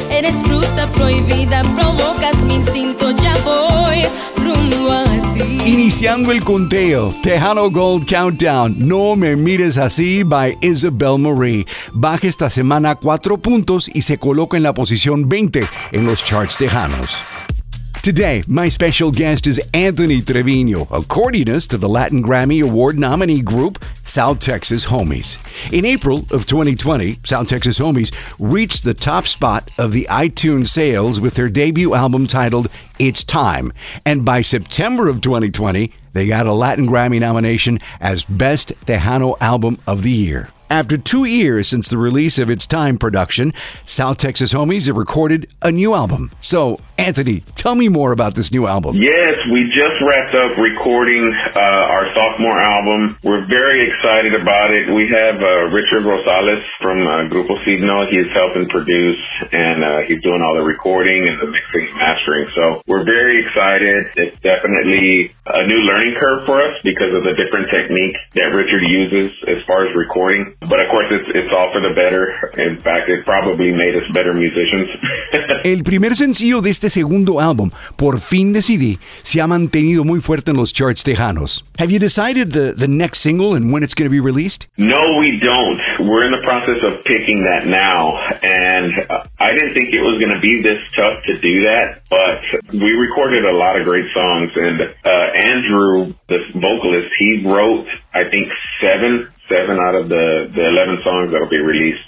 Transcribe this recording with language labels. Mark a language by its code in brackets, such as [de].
[es] Eres fruta prohibida, provocas mi instinto, ya voy rumbo a ti. Iniciando el conteo, Tejano Gold Countdown, No Me Mires Así by Isabel Marie. Baja esta semana 4 puntos y se coloca en la posición 20 en los charts tejanos. [en] Today, my special guest is Anthony Trevino, accordionist to the Latin Grammy Award nominee group, South Texas Homies. In April of 2020, South Texas Homies reached the top spot of the iTunes sales with their debut album titled It's Time. And by September of 2020, they got a Latin Grammy nomination as Best Tejano Album of the Year. After 2 years since the release of its Time production, South Texas Homies have recorded a new album. So, Anthony, tell me more about this new album. Yes, we just wrapped up recording our sophomore album. We're very excited about it. We have Richard Rosales from Grupo Signo. He is helping produce, and he's doing all the recording and the mixing and mastering. So we're very excited. It's definitely a new learning curve for us because of the different technique that Richard uses as far as recording. But of course, it's all for the better. In fact, it probably made us better musicians. [es] El primer sencillo de este segundo álbum, Por Fin Decidí, se ha mantenido muy fuerte en los charts tejanos. [en] Have you decided the next single and when it's going to be released? No, we don't. We're in the process of picking that now. And I didn't think it was going to be this tough to do that, but we recorded a lot of great songs. And Andrew, the vocalist, he wrote, I think, seven out of the 11 songs that will be released.